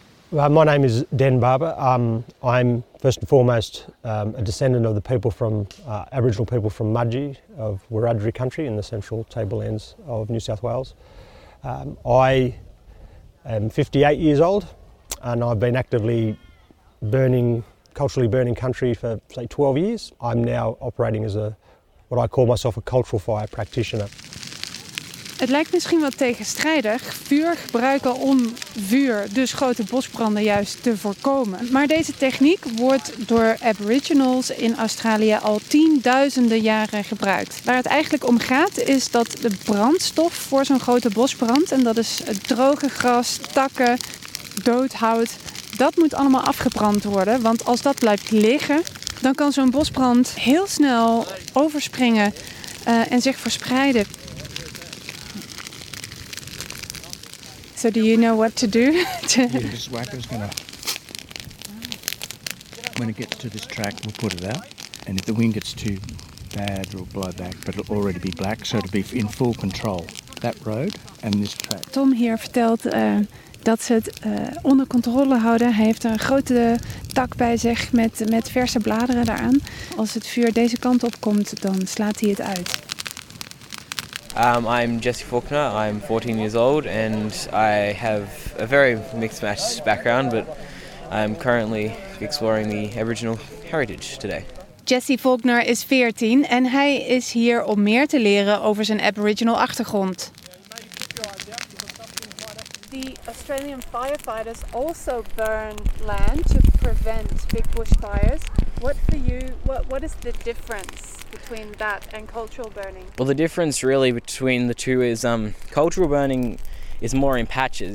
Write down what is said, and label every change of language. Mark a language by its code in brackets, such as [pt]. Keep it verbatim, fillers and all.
[en] Well, my name is Dan Barber. Um, I'm first and foremost um, a descendant of the people from uh, Aboriginal people from Mudgee of Wiradjuri country in the central tablelands of New South Wales. Um, I am fifty-eight years old, and I've been actively burning, culturally burning country for say twelve years. I'm now operating as a what I call myself a cultural fire practitioner. [nl] Het lijkt misschien wat tegenstrijdig, vuur gebruiken om vuur, dus grote bosbranden juist, te voorkomen. Maar deze techniek wordt door Aboriginals in Australië al tienduizenden jaren gebruikt. Waar het eigenlijk om gaat is dat de brandstof voor zo'n grote bosbrand, en dat is het droge gras, takken, dood hout, dat moet allemaal afgebrand worden. Want als dat blijft liggen, dan kan zo'n bosbrand heel snel overspringen uh, en zich verspreiden. [en] So do you know what to do? Yeah, this whacker's gonna. When it gets to this track, we'll put it out, and if the wind gets too bad, it'll blow back. But it'll already be black, so it'll be in full control. That road and this track. [nl] Tom hier vertelt uh, dat ze het uh, onder controle houden. Hij heeft een grote tak bij zich met met verse bladeren daaraan. Als het vuur deze kant op komt, dan slaat hij het uit. [en] Um, I'm Jesse Faulkner, I'm fourteen years old and I have a very mixed match background, but I'm currently exploring the Aboriginal heritage today. [nl] Jesse Faulkner is veertien en hij is hier om meer te leren over zijn Aboriginal achtergrond. [en] The Australian firefighters also burn land to prevent big bushfires. What for you, what, what is the difference between that and cultural burning? Well, the difference really between the two is um, cultural burning is more in patches.